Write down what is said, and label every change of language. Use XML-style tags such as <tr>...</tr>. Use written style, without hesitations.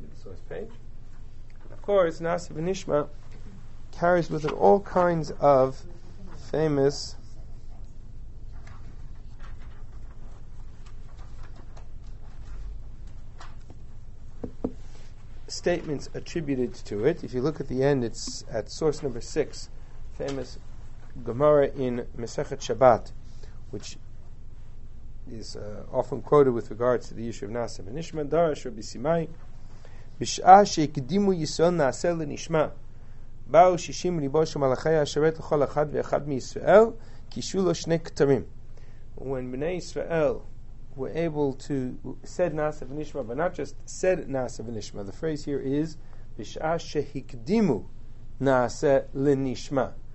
<en>Of course, Nasa V'Nishma carries with it all kinds of famous statements attributed to it. If you look at the end, it's at source number 6, famous Gemara in Masechet Shabbat, which is often quoted with regards to the issue of Nasa V'Nishma. Darash Rabbi Simai.</en> <he>בשעה שהקדימו ישראל נעשה לנשמע, באו 60 ריבו של מלאכי השרת לכל אחד ואחד מישראל, קישו לו שני כתרים.</he> <en>When Bnei Israel were able to said Nasa V'Nishma, but not just said Nasa V'Nishma, the phrase here is,</en> <he>בשעה שהקדימו נעשה לנשמע.</he>